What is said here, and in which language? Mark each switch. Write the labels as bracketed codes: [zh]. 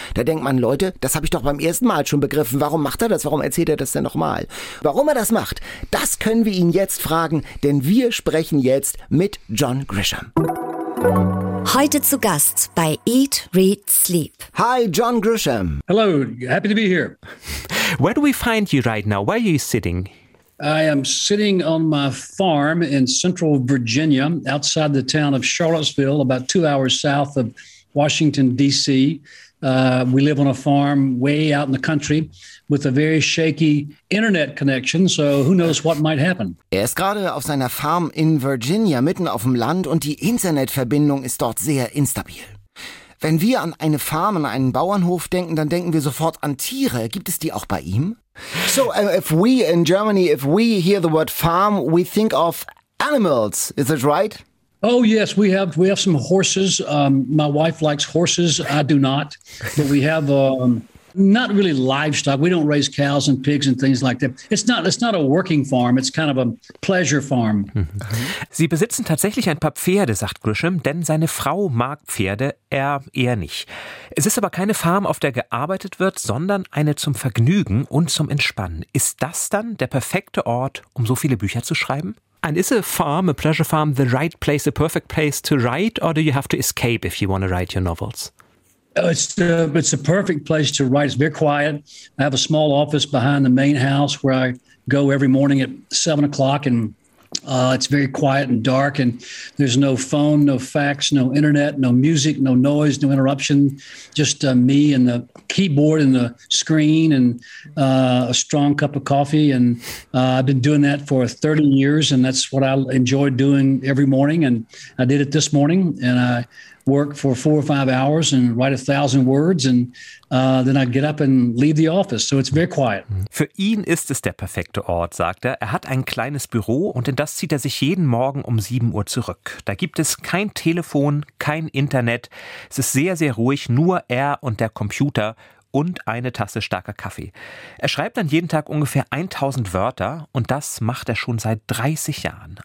[de] Da denkt man, Leute, das habe ich doch beim ersten Mal schon begriffen. Warum macht er das? Warum erzählt er das denn nochmal? Warum er das macht, das können wir ihn jetzt fragen, denn wir sprechen jetzt mit John Grisham. Heute zu Gast bei Eat, Read, Sleep. Hi, John Grisham. [en] Hello, happy to be here. Where do we find you right now? Where are you sitting? I am sitting on my farm in central Virginia, outside the town of Charlottesville, about 2 hours south of Washington, D.C. We live on a farm way out in the country with a very shaky internet connection, so who knows what might happen. [de] Er ist gerade auf seiner Farm in Virginia, mitten auf dem Land, und die Internetverbindung ist dort sehr instabil. Wenn wir an eine Farm, an einen Bauernhof denken, dann denken wir sofort an Tiere. Gibt es die auch bei ihm? [en] So, if we in Germany, if we hear the word farm, we think of animals, is that right? Oh yes, we have some horses. My wife likes horses. I do not, but we have not really livestock. We don't raise cows and pigs and things like that. It's not a working farm. It's kind of a pleasure farm. [de] Sie besitzen tatsächlich ein paar Pferde, sagt Grisham, denn seine Frau mag Pferde, er eher nicht. Es ist aber keine Farm, auf der gearbeitet wird, sondern eine zum Vergnügen und zum Entspannen. Ist das dann der perfekte Ort, um so viele Bücher zu schreiben? [en] And is a farm, a pleasure farm, the right place, a perfect place to write, or do you have to escape if you want to write your novels? It's a perfect place to write. It's very quiet. I have a small office behind the main house where I go every morning at 7 o'clock, and it's very quiet and dark, and there's no phone, no fax, no internet, no music, no noise, no interruption, just me and the keyboard and the screen and a strong cup of coffee. And I've been doing that for 30 years, and that's what I enjoy doing every morning. And I did it this morning, and I work for 4 or 5 hours and write 1,000 words, and then I get up and leave the office. So it's very quiet. [de] Für ihn ist es der perfekte Ort, sagt er. Er hat ein kleines Büro, und in das zieht er sich jeden Morgen um 7 Uhr zurück. Da gibt es kein Telefon, kein Internet. Es ist sehr, sehr ruhig, nur er und der Computer und eine Tasse starker Kaffee. Er schreibt dann jeden Tag ungefähr 1000 Wörter, und das macht er schon seit 30 Jahren.